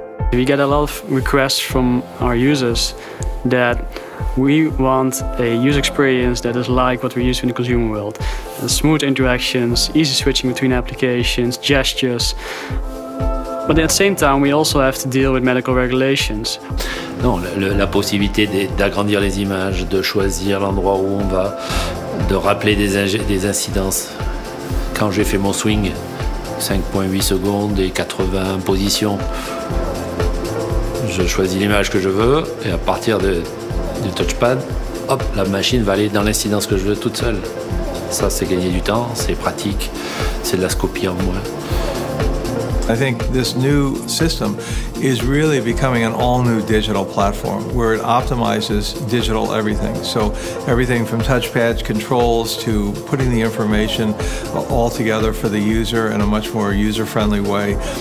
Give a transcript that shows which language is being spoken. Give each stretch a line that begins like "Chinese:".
English: We get a lot of requests from our users that we want a user experience that is like what we use in the consumer world. Smooth interactions, easy switching between applications, gestures. But at the same time, we also have to deal with medical regulations.
French: Non, la possibilité d'agrandir les images, de choisir l'endroit où on va, de rappeler des incidences. Quand j'ai fait mon swing, 5.8 secondes et 80 positions, je choisis l'image que je veux et à partir du touchpad, hop, la machine va aller dans l'incidence que je veux toute seule. Ça, c'est gagner du temps, c'est pratique, c'est de la scopie en moins.
English: I think this new system is really becoming an all-new digital platform where it optimizes digital everything. So everything from touchpad controls to putting the information all together for the user in a much more user-friendly way.